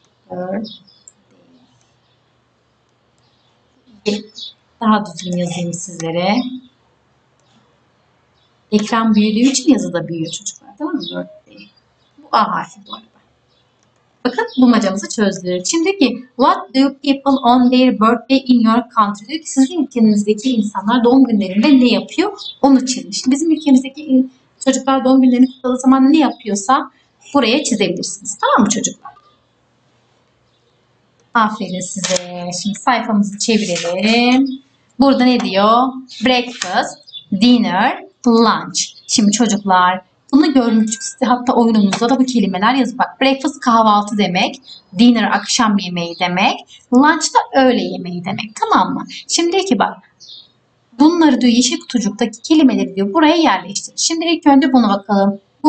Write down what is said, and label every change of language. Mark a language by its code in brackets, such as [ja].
[en] Birthday. [tr] Daha düzgün yazayım sizlere. Ekran büyüdüğü için yazı da büyüyor çocuklar. Tamam mı? Birthday. A harfi bu arada. Bakın bulmacamızı çözdük. Şimdi ki [en] what do people on their birthday in your country? [tr] Diyor ki, sizin ülkenizdeki insanlar doğum günlerinde ne yapıyor? Onu çizmiş. Şimdi bizim ülkemizdeki çocuklar doğum günlerini kutladığı zaman ne yapıyorsa buraya çizebilirsiniz. Tamam mı çocuklar? Aferin size. Şimdi sayfamızı çevirelim. Burada ne diyor? [en] Breakfast, dinner, lunch. [tr] Şimdi çocuklar bunu görmüştük size. Hatta oyunumuzda da bu kelimeler yazıyor. Bak, breakfast kahvaltı demek. Dinner akşam yemeği demek. Lunch da öğle yemeği demek. Tamam mı? Şimdi diyor ki bak. Bunları diyor yeşil kutucuktaki kelimeleri diyor buraya yerleştir. Şimdi ilk önce buna bakalım.